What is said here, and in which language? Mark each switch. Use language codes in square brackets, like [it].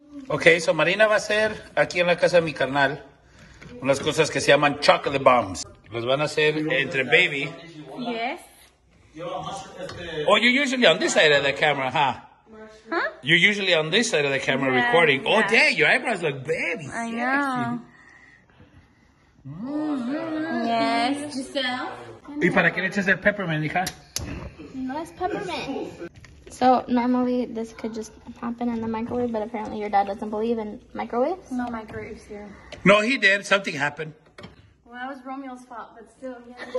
[es] Okay, so Marina va a hacer aquí en la casa de mi carnal unas cosas que se llaman chocolate bombs. Los van a hacer entre baby. [en] Yes. Oh, you're usually on this side of the camera, huh? Huh? You're usually on this side of the camera recording. Yeah. Oh, dang, your eyebrows look baby. I know. Mm-hmm. Yes, Giselle. [es] ¿Y para qué le echas el peppermint, hija? No es peppermint. [en] So, normally this could just happen in the microwave, but apparently your dad doesn't believe in microwaves. No microwaves here. No, he did. Something happened. Well, that was Romeo's fault, but still, he has a